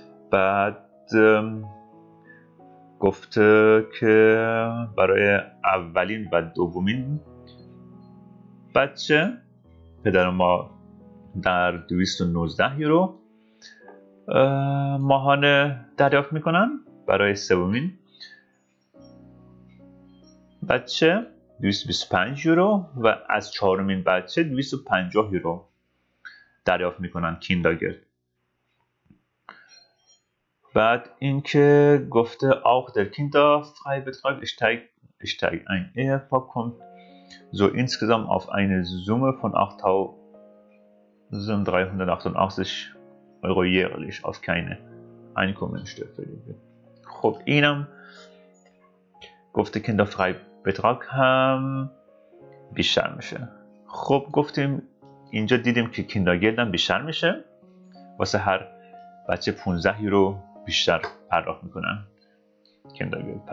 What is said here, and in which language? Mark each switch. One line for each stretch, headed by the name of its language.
Persian: بعد گفته که برای اولین و دومین بچه پدر ما در 219 یورو ماهانه دریافت میکنن، برای سومین بچه 225 یورو و از چهارمین بچه 250 یورو دریافت میکنن کیندرگلد. بعد اینکه گفته
German: auch der Kinderfreibetrag steigt ein Ehepaar kommt so insgesamt auf eine Summe von 8.388 Euro jährlich auf keine Einkommensteuerpflichtige.
Persian: خب اینم گفته Kinderfreibetrag هم بیشتر میشه. خب گفتیم اینجا دیدیم که Kindergeld هم بیشتر میشه واسه هر بچه 15 یورو بیشتر پرداخت میکنن کیندرگلد.